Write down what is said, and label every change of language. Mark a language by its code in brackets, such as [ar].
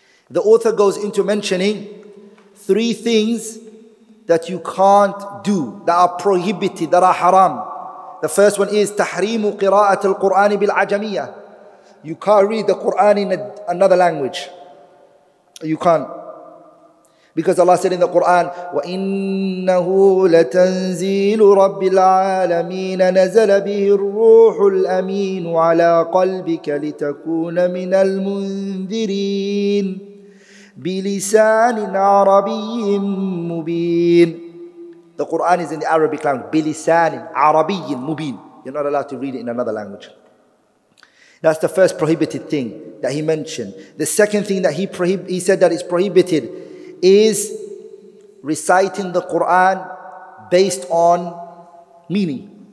[en] The author goes into mentioning three things that you can't do, that are prohibited, that are haram. The first one is [ar] tahrimu qira'at al-Qur'an bil-ajamiyyah. [en] You can't read the Qur'an in another language. You can't. [ar] Because Allah said in the Qur'an, وَإِنَّهُ لَتَنْزِيلُ رَبِّ الْعَالَمِينَ نَزَلَ بِهِ الرُّوحُ الْأَمِينُ عَلَىٰ قَلْبِكَ لِتَكُونَ مِنَ الْمُنذِرِينَ بِلِسَانٍ عَرَبِيٍ مُبِينٍ. [en] The Qur'an is in the Arabic language. [ar] بِلِسَانٍ عَرَبِيٍ مُبِينٍ. [en] You're not allowed to read it in another language. That's the first prohibited thing that he mentioned. The second thing that he said that is prohibited is reciting the Qur'an based on meaning.